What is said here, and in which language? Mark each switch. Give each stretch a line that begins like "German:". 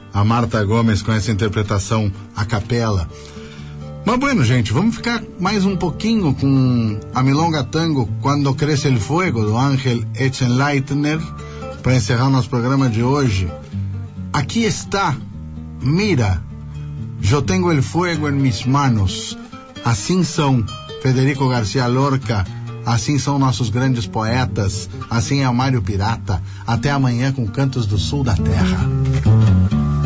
Portuguese: A Marta Gomes com essa interpretação a capela. Mas bueno, gente, vamos ficar mais um pouquinho com a milonga tango Quando Cresce el Fuego, do Ángel Echenleitner, para encerrar nosso programa de hoje. Aqui está,
Spanish: mira, yo tengo el fuego en mis manos.
Portuguese: Assim são Federico García Lorca, assim são nossos grandes poetas, assim é o Mário Pirata. Até amanhã com Cantos do Sul da Terra.